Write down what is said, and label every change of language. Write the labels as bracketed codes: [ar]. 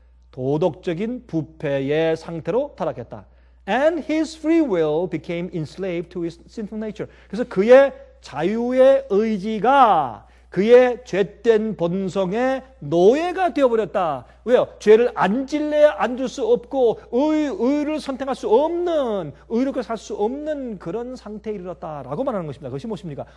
[ko] 도덕적인 부패의 상태로 타락했다. [en] And his free will became enslaved to his sinful nature. [ko] 그래서 그의 자유의 의지가 그의 죗된 본성의 노예가 되어버렸다. 왜요? 죄를 안 질래야 안 줄 수 없고 의를 선택할 수 없는, 의롭게 살 수 없는 그런 상태에 이르렀다라고 말하는 것입니다. 그것이 무엇입니까?